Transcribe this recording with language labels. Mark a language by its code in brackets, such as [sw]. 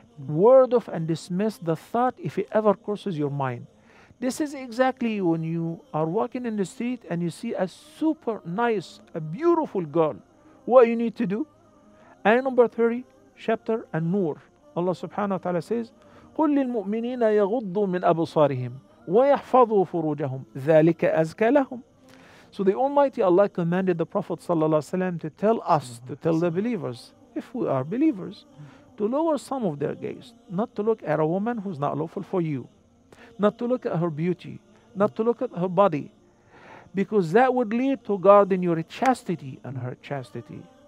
[en] Word off and dismiss the thought if it ever crosses your mind. This is exactly when you are walking in the street and you see a super nice, a beautiful girl. What you need to do? Ayah number 30, chapter An-Nur. Allah subhanahu wa ta'ala says, [ar] قل للمؤمنين يغضوا من أبصارهم ويحفظوا فروجهم ذلك أزكى لهم. [en] So the Almighty Allah commanded the Prophet ﷺ to tell us, to tell the believers, if we are believers, to lower some of their gaze, not to look at a woman who's not lawful for you, not to look at her beauty, not to look at her body, because that would lead to guarding your chastity and her chastity.